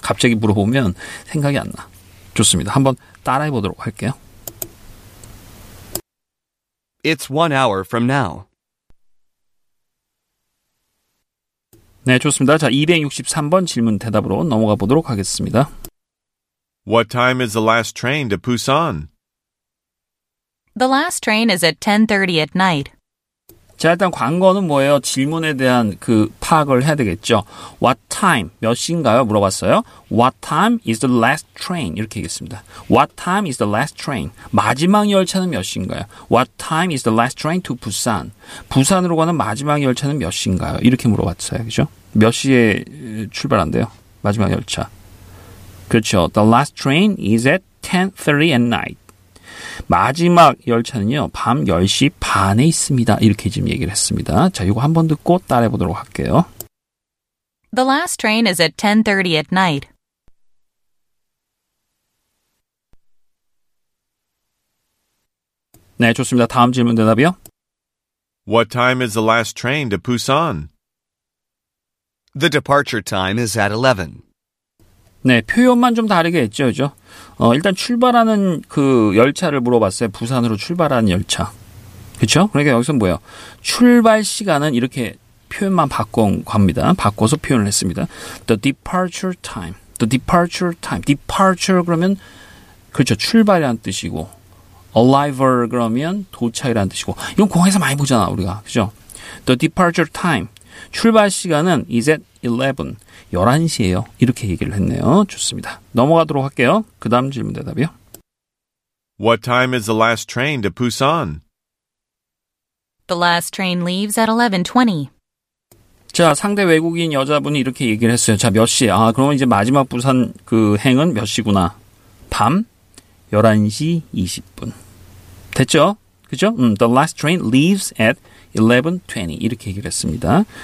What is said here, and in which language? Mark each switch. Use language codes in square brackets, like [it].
[ko] 갑자기 물어보면 생각이 안 나. 좋습니다. 한번 따라해 보도록 할게요. [en] It's 1 hour from now. [ko] 네, 좋습니다. 자, 263번 질문 대답으로 넘어가 보도록 하겠습니다. [en] What time is the last train to Busan? The last train is at 10:30 at night. [ko] 자, 일단 관건은 뭐예요? 질문에 대한 그 파악을 해야 되겠죠. [en] What time? [ko] 몇 시인가요? 물어봤어요. [en] What time is the last train? [ko] 이렇게 얘기했습니다. [en] What time is the last train? [ko] 마지막 열차는 몇 시인가요? [en] What time is the last train to Busan? [ko] 부산으로 가는 마지막 열차는 몇 시인가요? 이렇게 물어봤어요. 그죠? 몇 시에 출발한대요? 마지막 열차. 그렇죠. [en] The last train is at 10:30 at night. [ko] 마지막 열차는요, 밤 10시 반에 있습니다. 이렇게 지금 얘기를 했습니다. 자, 이거 한번 듣고 따라해 보도록 할게요. [en] The last train is at 10:30 at night. [ko] 네, 좋습니다. 다음 질문 대답이요. [en] What time is the last train to Busan? The departure time is at 11. [ko] 네, 표현만 좀 다르게 했죠, 그죠? 일단 출발하는 그 열차를 물어봤어요. 부산으로 출발하는 열차. 그렇죠? 그러니까 여기서 뭐예요? 출발 시간은 이렇게 표현만 바꾼 겁니다. 바꿔서 표현을 했습니다. [en] The departure time. The departure time. Departure [ko] 그러면 그렇죠. 출발이라는 뜻이고 arrival 그러면 도착이라는 뜻이고 이건 공항에서 많이 보잖아, 우리가. 그렇죠? [en] The departure time. [ko] 출발 시간은 [en] is at 11. [ko] 11시예요. 이렇게 얘기를 했네요. 좋습니다. 넘어가도록 할게요. 그 다음 질문 대답이요. [en] What time is the last train to Busan? The last train leaves at 11:20. [ko] 자, 상대 외국인 여자분이 이렇게 얘기를 했어요. 자, 몇 시? 아, 그러면 이제 마지막 부산 그 행은 몇 시구나. 밤 11시 20분. 됐죠? 그죠? [en] The last train leaves at 11:20 [ko] 이렇게 얘기를 했습니다.